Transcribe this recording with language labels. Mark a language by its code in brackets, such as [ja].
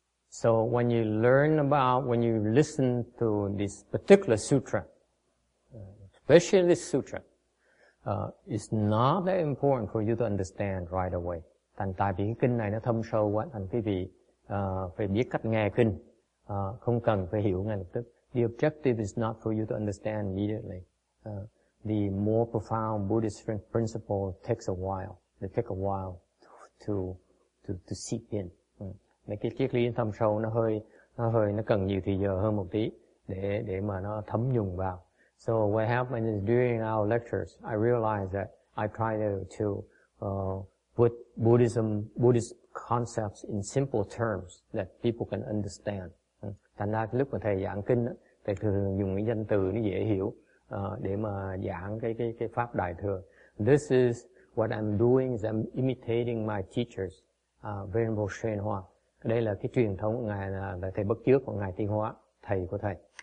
[en] So when you learn about, when you listen to this particular sutra, especially this sutra, it's not that important for you to understand right away. [vi] Thành tại vì kinh này nó thâm sâu quá, thành quý vị phải biết cách nghe kinh, không cần phải hiểu ngay lập tức. [en] The objective is not for you to understand immediately. The more profound Buddhist principle takes a while. It takes a while to seep in. [vi] Mấy cái triết lý thâm sâu nó cần nhiều thời giờ hơn một tí để mà nó thấm nhuần vào. [en] So what happened is during our lectures, I realized that I tried to put Buddhist concepts in simple terms that people can understand. [vi] Thành ra lúc mà thầy giảng kinh, thầy thường dùng những danh từ nó dễ hiểu để mà giảng cái pháp đại thừa. [en] This is what I'm doing, is I'm imitating my teachers, Venerable Shen Hoa. [vi] Đây là cái truyền thống của Ngài, là Thầy Bất Chước của Ngài Tiên Hóa, Thầy của Thầy.